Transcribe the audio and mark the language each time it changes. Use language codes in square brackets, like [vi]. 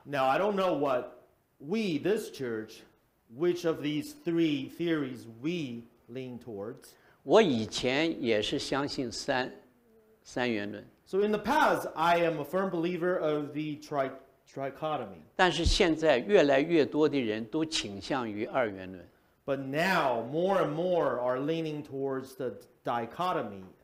[en] Now, I don't know what we, this church, which of these three theories we lean towards. [zh] 我以前也是相信三元论。 [en] So in the past, I am a firm believer of the trichotomy. [zh] 但是现在越来越多的人都倾向于二元论。 [en] But now, more and more are leaning towards the dichotomy.